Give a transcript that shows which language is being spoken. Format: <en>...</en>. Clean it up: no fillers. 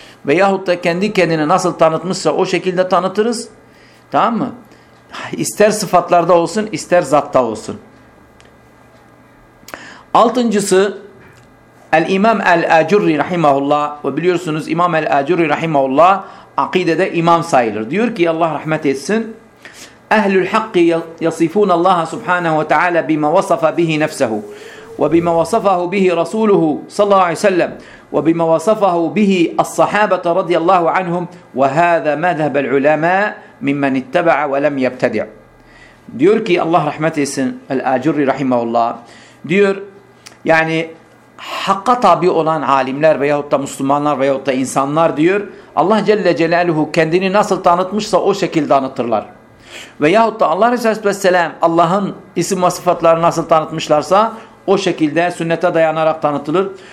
<tr>Veyahut da kendi kendini nasıl tanıtmışsa o şekilde tanıtırız. Tamam mı? İster sıfatlarda olsun, ister zatta olsun. Altıncısı, El-İmam El-Acurri Rahimahullah. Ve biliyorsunuz İmam El-Acurri Rahimahullah, akidede imam sayılır. Diyor ki Allah rahmet etsin.</tr> <ar>أهل الحق يصفون الله سبحانه وتعالى بما وصف به نفسه وبما وصفه به رسوله صلى الله عليه وسلم وبما وصفه به الصحابة رضي الله عنهم وهذا مذهب العلماء ممن اتبع ولم يبتدع.</ar> <tr>diyor ki Allah rahmet etsin el-Acurri rahimahullah diyor yani hakka tabi olan alimler veyahut da Müslümanlar veyahut da insanlar diyor Allah Celle Celaluhu kendini nasıl tanıtmışsa o şekilde anlatırlar. Veyahut da Allah Resulü Aleyhisselatü Vesselam Allah'ın isim ve sıfatlarını nasıl tanıtmışlarsa o şekilde sünnete dayanarak tanıtılır.</tr>